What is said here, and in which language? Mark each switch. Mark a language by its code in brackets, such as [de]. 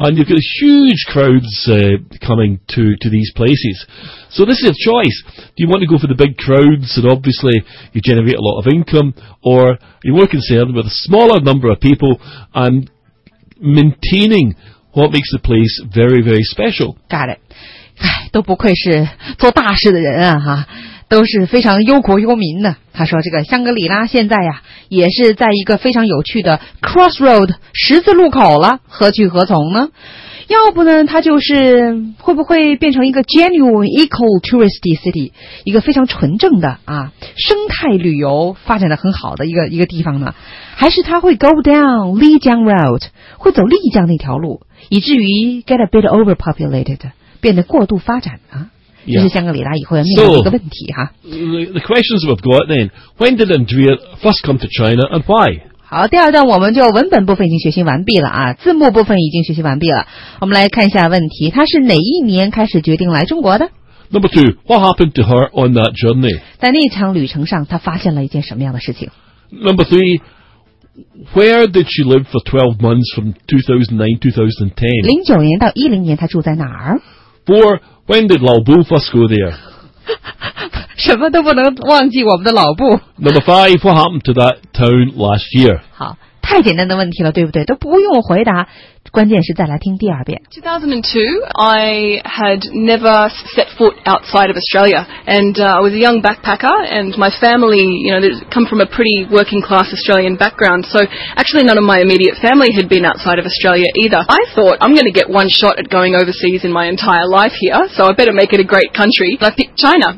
[en] And you've got huge crowds coming to these places. So this is a choice. Do you want to go for the big crowds and obviously you generate a lot of income? Or are you more concerned with a smaller number of people and maintaining what makes the place very, very special? Got it. [zh] 都不愧是做大事的人啊，哈。都是非常忧国忧民的。他说这个香格里拉现在呀也是在一个非常有趣的 crossroad 十字路口了，何去何从呢？要不呢他就是会不会变成一个 [en] genuine eco-touristy city， [zh] 一个非常纯正的啊生态旅游发展的很好的一个地方呢？还是他会 [en] go down Lijiang road， [zh] 会走丽江那条路，以至于 [en] get a bit overpopulated， [zh] 变得过度发展啊？ [en] Yeah. [zh] 这是香格里拉以后要面临的问题哈。 [en] The questions we've got then, when did Andrea first come to China and why? [zh] 好，第二段我们就文本部分已经学习完毕了啊，字幕部分已经学习完毕了。我们来看一下问题，他是哪一年开始决定来中国的？ [en] Number two, what happened to her on that journey? [zh] 在那场旅程上，他发现了一件什么样的事情？ [en] Number three, where did she live for 12 months from 2009-2010? [zh] 09年到10年她住在哪儿? [en] Four, when did 老布 first go there? [zh] 什么都不能忘记我们的老布。 [en] Number five, what happened to that town last year? [zh] 好，太简单的问题了，对不对？都不用回答，关键是再来听第二遍。 [en] 2002, I had never set foot outside of Australia, and I was a young backpacker, and my family, you know, come from a pretty working class Australian background, so actually none of my immediate family had been outside of Australia either. I thought, I'm going to get one shot at going overseas in my entire life here, so I better make it a great country. But I picked China.